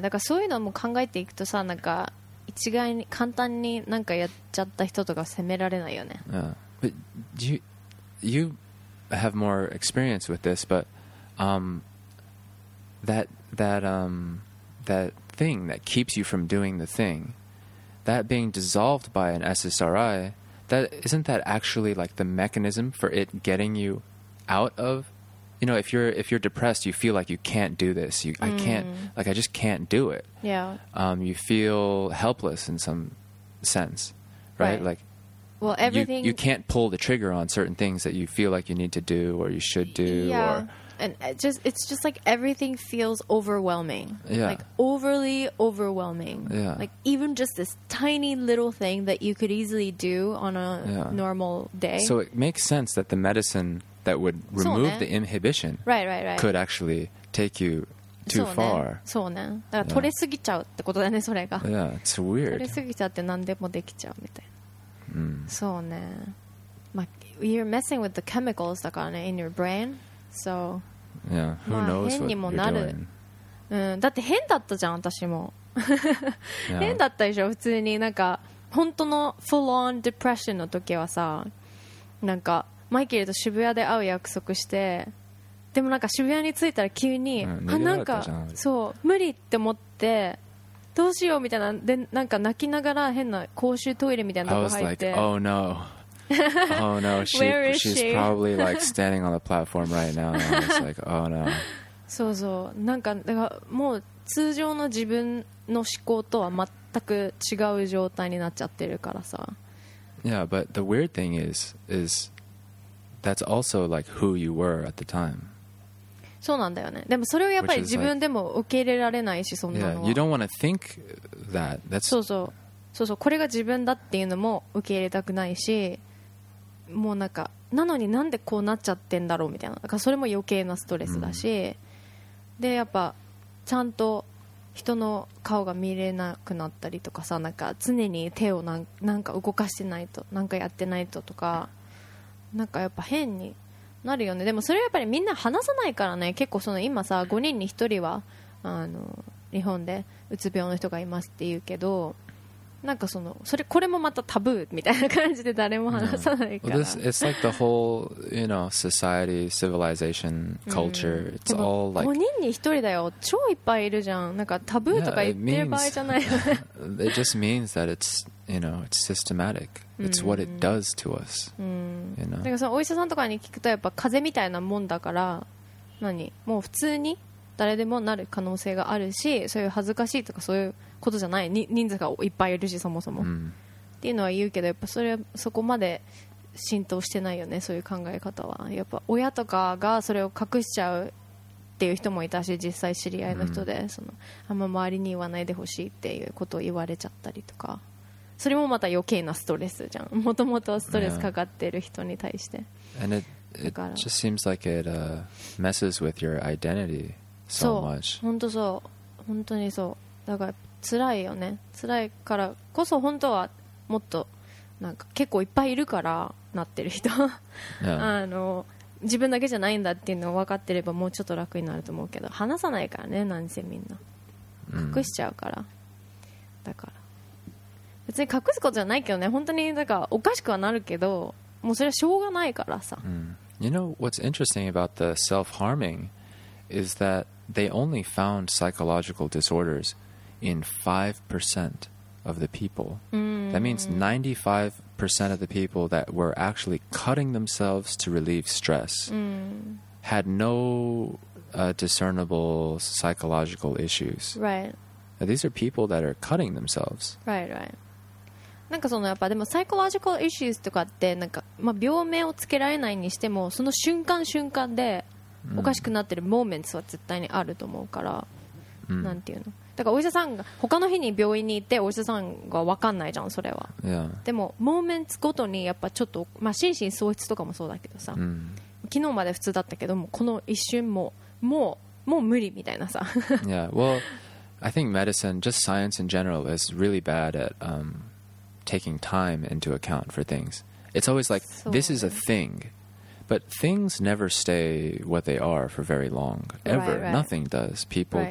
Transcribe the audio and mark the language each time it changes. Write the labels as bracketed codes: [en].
[ja] だからそういうのも考えていくとさ、なんか一概に簡単になんかやっちゃった人とか責められないよね。 [en] Yeah. But you have more experience with this, but that thing that keeps you from doing the thing, that being dissolved by an SSRI, that isn't that actually like the mechanism for it getting you out of, you know, if you're depressed, you feel like you can't do this. I can't, like, I just can't do it. Yeah. You feel helpless in some sense, right? Right. Like, well, everything, you can't pull the trigger on certain things that you feel like you need to do or you should do. Yeah. Or, and it's just like everything feels overwhelming. Yeah. Like overly overwhelming. Yeah. Like even just this tiny little thing that you could easily do on a normal day. So it makes sense that the medicine that would remove the inhibition could actually take you too far. [ja] そうね。だから取れすぎちゃうってことだね、それが。 [en] Yeah, it's weird. [ja] 取れすぎちゃって何でもできちゃうみたいな。 Mm. そうね。まあ、 [en] you're messing with the chemicals [ja] だからね、 [en] in your brain. So, yeah, who knows what you're doing. [ja] うん、だって変だったじゃん、私も。変だったでしょ、普通に。なんか、本当の [en] full on depression [ja] の時はさ、なんか、マイケルと渋谷で会う約束して、でもなんか渋谷に着いたら急に、あ、なんか、そう、無理って思って、どうしようみたいな、で、なんか泣きながら変な公衆トイレみたいなとこ入って。 [en] I was like, oh no. Oh no, she's probably like standing on the platform right now. I was like, oh no. [ja] そうそう、なんかだからもう通常の自分の思考とは全く違う状態になっちゃってるからさ。 [en] Yeah, but the weird thing is that's also like who you were at the time. [ja] そうなんだよね。でもそれをやっぱり自分でも受け入れられないし、そんなのは。 [en] Yeah, you don't want to think that. That's [ja] そうそうそうそう、これが自分だっていうのも受け入れたくないし。もうなんかなのになんでこうなっちゃってんだろうみたいな、だからそれも余計なストレスだし、でやっぱちゃんと人の顔が見れなくなったりとかさ、なんか常に手をなんか動かしてないと、なんかやってないととか、なんかやっぱ変になるよね。でもそれはやっぱりみんな話さないからね。結構その今さ5人に1人はあの日本でうつ病の人がいますって言うけど、なんかその、それ、これもまたタブーみたいな感じで誰も話さないから。 [en] Yeah. Well, it's like the whole, you know, society, civilization, culture. It's all like [ja] 5人に1人だよ。超いっぱいいるじゃん。なんかタブーとか言ってる場合じゃないよね。 [en] It just means that it's, you know, it's systematic. It's what it does to us. You know? [ja] だからそのお医者さんとかに聞くとやっぱ風邪みたいなもんだから、何？もう普通に誰でもなる可能性があるし、そういう恥ずかしいとかそういうことじゃない、人数がいっぱいいるしそもそも、 mm. っていうのは言うけど、やっぱそれはそこまで浸透してないよね、そういう考え方は。やっぱ親とかがそれを隠しちゃうっていう人もいたし、実際知り合いの人で、mm. そのあんま周りに言わないでほしいっていうことを言われちゃったりとか、それもまた余計なストレスじゃん、もともとストレスかかってる人に対して、 [en] yeah. And it just seems like it messes with your identity so much. [ja] 本当そう、本当にそう。だから辛いよね。辛いからこそ本当はもっとなんか結構いっぱいいるからなってる人、 [en] yeah. [ja] あの自分だけじゃないんだっていうのを分かってればもうちょっと楽になると思うけど、話さないからね、何せみんな隠しちゃうから、mm. だから別に隠すことじゃないけどね、本当にだからおかしくはなるけど、もうそれはしょうがないからさ、 mm. [en] You know what's interesting about the self-harming is that they only found psychological disordersin 5% of the people. That means 95% of the people that were actually cutting themselves to relieve stress had no discernible psychological issues. Right. Now, these are people that are cutting themselves. Right, right. [ja] なんかそのやっぱでも [en] psychological issues [ja] とかってなんかまあ病名をつけられないにしても、その瞬間瞬間でおかしくなってる moments は絶対にあると思うから、なんていうの、だからお医者さんが他の日に病院に行ってお医者さんが分かんないじゃんそれは、 [en] yeah. [ja] でもモーメンツごとにやっぱちょっと、まあ、心身喪失とかもそうだけどさ、 mm. 昨日まで普通だったけどもこの一瞬もう無理みたいなさ。 [en] Yeah, well, I think medicine, just science in general, is really bad at taking time into account for things. It's always like, this is a thing, but things never stay what they are for very long, ever. Right, right. Nothing does. People right.